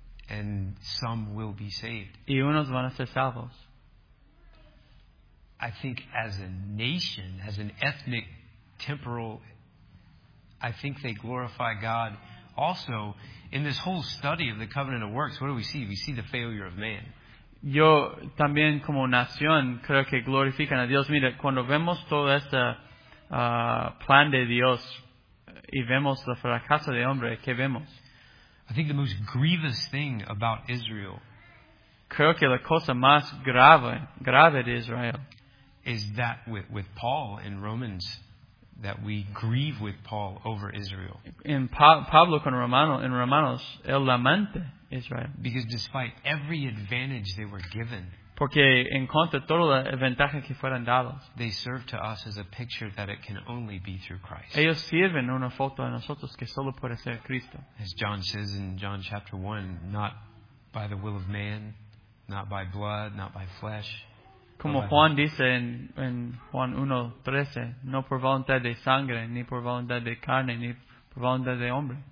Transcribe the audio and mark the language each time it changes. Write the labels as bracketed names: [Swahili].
[English] And some will be saved. [Spanish] Y unos van a ser salvos. [English] I think as a nation, as an ethnic, temporal, I think they glorify God also in this whole study of the covenant of works. What do we see? We see the failure of man. [Spanish] Yo también como nación creo que glorifican a Dios. Mira, cuando vemos todo este plan de Dios y vemos la fracaso de hombre, ¿qué vemos? [English] I think the most grievous thing about Israel, [Spanish] creo que la cosa más grave de Israel, [English] is that with Paul in Romans, that we grieve with Paul over Israel. [Spanish] In Pablo con Romano, in Romanos, él lamenta Israel. [English] Because despite every advantage they were given, [Spanish] porque en contra de toda la ventaja que fueron dados, [English] they serve to us as a picture that it can only be through Christ. [Spanish] Ellos sirven una foto a nosotros que solo puede ser Cristo. [English] As John says in John chapter 1, not by the will of man, not by blood, not by flesh. [Spanish] Como Juan dice en Juan 1:13, no por voluntad de sangre, ni por voluntad de carne, ni por voluntad de hombre,